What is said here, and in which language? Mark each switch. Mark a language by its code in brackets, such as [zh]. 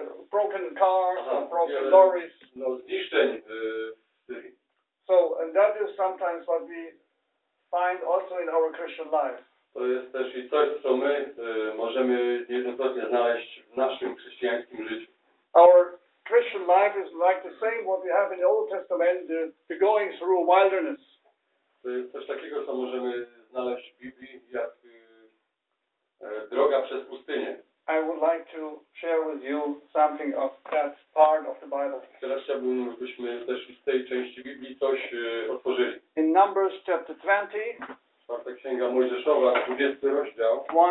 [en] Broken cars, broken lorries. [pl] No, zniszczeń w Syrii. [en] So, and that is sometimes what we find also in our Christian life. [pl] To jest też i coś, co my możemy niejednokrotnie znaleźć w naszym chrześcijańskim życiu. [en] Our Christian life is like the same what we have in the Old Testament, the going through wilderness. [pl] To jest coś takiego, co możemy znaleźć w Biblii, jak droga przez pustynię. [en] I would like to share with you something of that part of the Bible. [pl] Teraz chciałbym, byśmy też w tej części Biblii coś otworzyli. [en] In Numbers chapter 20. [pl] Czwarta księga Mojżeszowa, 20 rozdział.